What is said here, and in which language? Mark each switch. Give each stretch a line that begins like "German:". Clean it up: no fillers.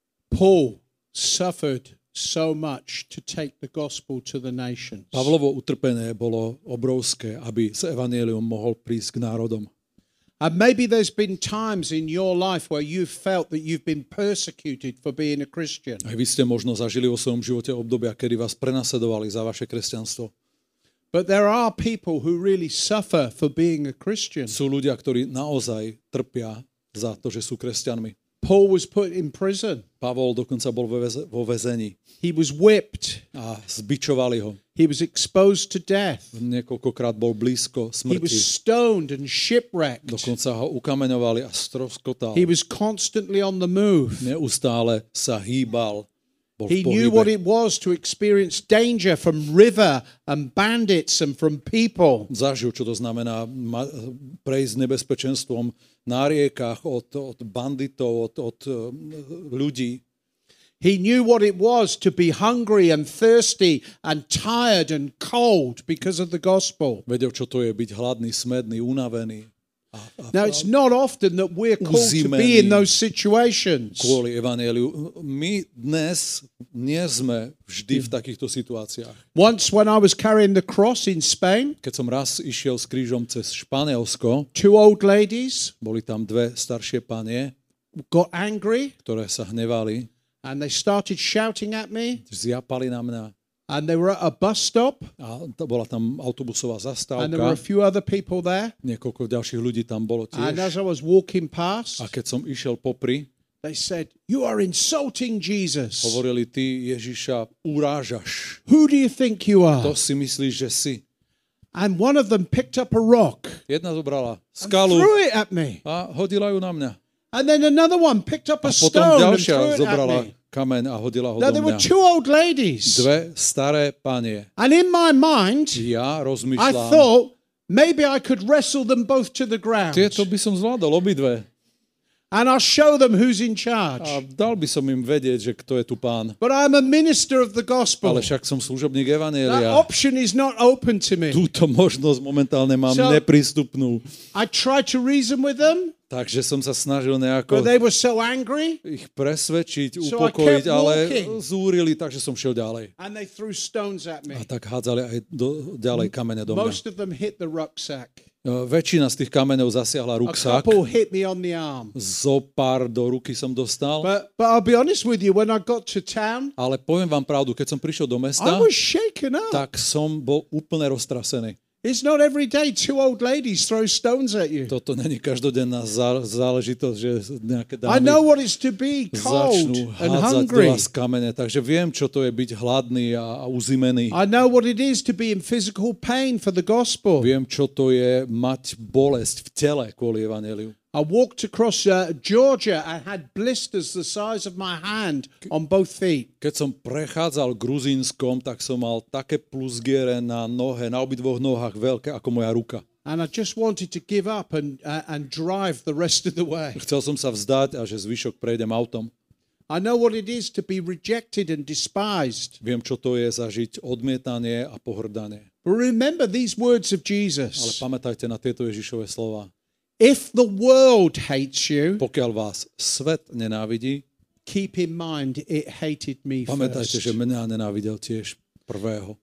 English: Paul suffered so much to take the gospel to the nations.
Slovak: Pavlovo utrpenie bolo obrovské, aby s evanjeliom mohol prísť k národom.
English: And maybe there's been times in your life where you felt that you've been persecuted for being a Christian.
Slovak: Aj vy ste možno zažili vo svojom živote obdobia, kedy vás prenasledovali za vaše kresťanstvo.
English: But there are people who really suffer for being a Christian.
Slovak: Sú ľudia, ktorí naozaj trpia za to, že sú kresťanmi.
English: Paul was put in prison.
Slovak: Pavol dokonca bol vo väzení.
English: He was whipped.
Slovak: A zbičovali ho.
English: He was exposed to death.
Slovak: Niekoľkokrát bol blízko smrti.
English: He was stoned and shipwrecked.
Slovak: Dokonca ho ukameňovali a stroskotal.
English: He was constantly on the move.
Slovak: Neustále sa hýbal.
English: He knew what it was to experience danger from river and bandits and from people.
Slovak: Zažil, čo to znamená prejsť nebezpečenstvom na riekach od banditov, od ľudí.
English: He knew what it was to be hungry and thirsty and tired and cold because of the gospel.
Slovak: Vedel, čo to je byť hladný, smedný, unavený.
English: Now it's not often that we're called to be in those situations.
Slovak: Kvôli evanjeliu. My dnes nie sme vždy v takýchto situáciách.
English: Once when I was carrying the cross in Spain,
Slovak: keď som raz išiel s krížom cez Španielsko,
English: two old ladies,
Slovak: boli tam dve staršie panie,
English: got angry,
Slovak: ktoré sa hnevali,
English: and they started shouting at me,
Slovak: zjapali na mňa.
English: And they were at a bus stop.
Slovak: A to bola tam autobusová zastávka.
English: And there were a few other people there.
Slovak: Niekoľko ďalších ľudí tam bolo tiež.
English: And as I was walking past,
Slovak: a keď som išiel popri,
English: they said, "You are insulting Jesus."
Slovak: Hovorili, ty Ježiša urážaš.
English: Who do you think you are?
Slovak: Kto si myslíš, že si?
English: And one of them picked up a rock.
Slovak: Jedna zobrala skalu.
English: And threw it at me.
Slovak: A hodila ju na mňa.
English: And then another one picked up a stone and threw it at me.
Slovak: Kameň a hodila ho do mňa.
English: There were two old ladies.
Slovak: Dve staré panie.
English: And in my mind,
Slovak: ja rozmýšľam,
English: I thought maybe I could wrestle them both to the ground.
Slovak: Tieto by som zvládol obidve.
English: And I'll show them who's in charge.
Slovak: A dal by som im vedieť, že kto je tu pán.
English: But I'm a minister of the gospel.
Slovak: Ale však som služobník evanjelia.
English: That option is not open to me.
Slovak: Túto možnosť momentálne mám so neprístupnú. I tried to reason with them. Takže som sa snažil nejako
English: so angry,
Slovak: ich presvedčiť, upokojiť, so ale zúrili, takže som šiel ďalej.
English: And they threw stones at me.
Slovak: A tak hádzali aj ďalej kamene do mňa.
English: Most of them hit the rucksack.
Slovak: Väčšina z tých kameňov zasiahla ruksak.
English: A couple hit me on the arm.
Slovak: Zo pár do ruky som dostal.
English: But I'll be honest with you, when I got to town,
Slovak: ale poviem vám pravdu, keď som prišiel do mesta,
English: I was shaken up.
Slovak: Tak som bol úplne roztrasený.
English: It's not every day two old ladies throw stones at you.
Slovak: Toto není každodenná záležitosť, že nejaké dámy.
English: I know what it's to be cold and hungry.
Slovak: Kamene, takže viem, čo to je byť hladný a uzimený.
English: I know what it is to be in physical pain for the gospel.
Slovak: Viem, čo to je mať bolesť v tele kvôli evanjeliu.
English: I walked across Georgia and had blisters the size of my hand on both feet.
Slovak: Keď som prechádzal Gruzínskom, tak som mal také plusgiere na nohe, na obidvoch nohách veľké ako moja ruka.
English: And I just wanted to give up and drive the rest of the way.
Slovak: Chcel som sa vzdať a že zvyšok prejdem autom.
English: I know what it is to be rejected and despised.
Slovak: Viem, čo to je zažiť odmietanie a pohrdanie.
English: Remember these words of Jesus.
Slovak: Ale pamätajte na tieto Ježišove slová.
English: If the world hates you,
Slovak: pokiaľ vás svet nenávidí,
English: keep in mind it hated me first.
Slovak: Pamätajte, že mňa nenávidel tiež prvého.